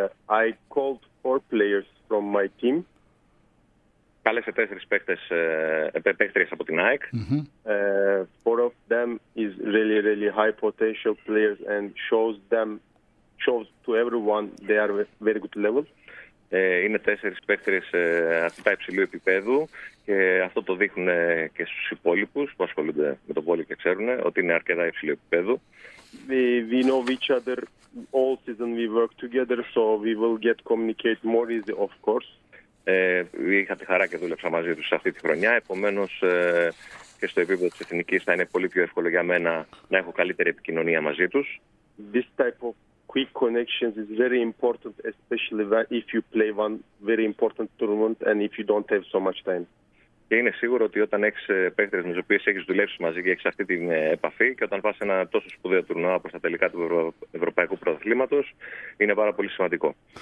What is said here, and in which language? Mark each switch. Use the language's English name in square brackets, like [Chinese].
[English] I called four players from my team. [Greek] Κάλεσε τέσσερις παίκτριες από την ΑΕΚ. [English] Four of them is really, really high potential players and shows to everyone they are very good level. [Greek] Είναι τέσσερις παίκτριες αρκετά υψηλού επίπεδου και αυτό το δείχνουν και στους υπόλοιπους που ασχολούνται με τον πόλο και ξέρουν ότι είναι αρκετά υψηλού επίπεδου. [English] We know each other. All season we work together, so we will get communicate more easy, of course. [Greek] Είχα τη χαρά και δούλεψα μαζί τους αυτή τη χρονιά. Επομένως, και στο επίπεδο της εθνικής θα είναι πολύ πιο εύκολο για μένα να έχω καλύτερη επικοινωνία μαζί τους. [English] This type of quick connections is very important, especially if you play one very important tournament and if you don't have so much time. [Greek] Και είναι σίγουρο ότι όταν έχεις παίκτες με τους οποίους έχεις δουλέψει μαζί και έχεις αυτή την επαφή και όταν πας σε ένα τόσο σπουδαίο τουρνουά όπως τα τελικά του Ευρωπαϊκού Πρωταθλήματος, είναι πάρα πολύ σημαντικό.